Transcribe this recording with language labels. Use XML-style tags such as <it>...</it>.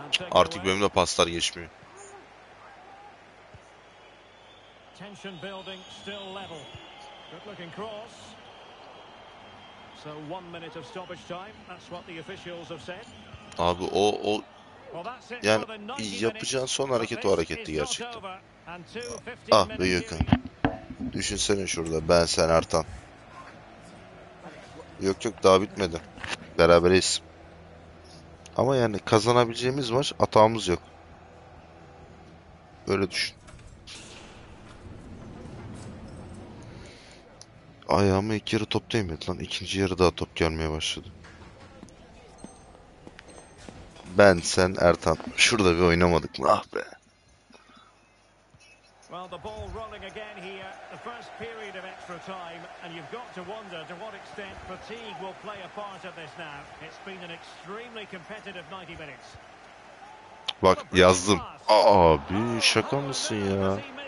<tr>Artık benim de paslar geçmiyor.</tr> <en>Tension building still level. Good looking cross. So 1 minute of stoppage time. That's what the officials have said.</en> <tr>Abi o yani yapacağın son hareket o hareketti gerçekten. Ah be Gökhan. Düşünsene şurada ben, sen, Ertan. Yok yok, daha bitmedi. Berabereyiz. Ama yani kazanabileceğimiz maç, atağımız yok. Böyle düşün. Ayağıma ilk yarı top değmedi lan. İkinci yarı daha top gelmeye başladı. Ben, sen, Ertan. Şurada bir oynamadık mı? Ah be.</tr> <en>Well, the ball rolling again here. The first period of extra time, and you've got to wonder to what extent fatigue will play a part of this now. It's been an extremely competitive 90 minutes.</en> <tr>Bak yazdım. Abi şaka mısın ya?</tr>